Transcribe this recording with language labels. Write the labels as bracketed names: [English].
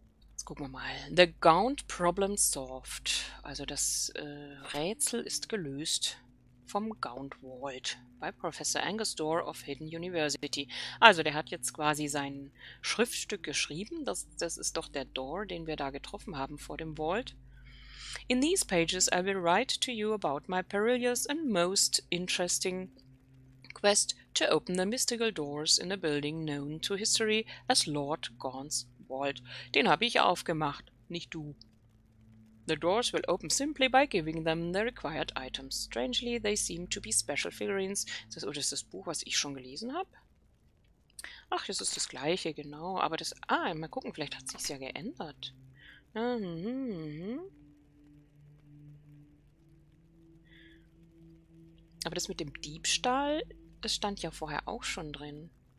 [German] Jetzt gucken wir mal. [English] The Gaunt Problem Solved. [German] Also das Rätsel ist gelöst vom Gaunt Vault bei Professor Angus Dore of Hidden University. Also der hat jetzt quasi sein Schriftstück geschrieben. Das ist doch der Dore, den wir da getroffen haben vor dem Vault. [English] In these pages I will write to you about my perilous and most interesting quest to open the mystical doors in a building known to history as Lord Gaunt's Vault. [German] Den habe ich aufgemacht, nicht du. [English] The doors will open simply by giving them the required items. Strangely, they seem to be special figurines. [German] Das ist das Buch, was ich schon gelesen habe? Ach, das ist das gleiche, genau. Aber das. Ah, mal gucken, vielleicht hat sich's ja geändert. Aber das mit dem Diebstahl, das stand ja vorher auch schon drin.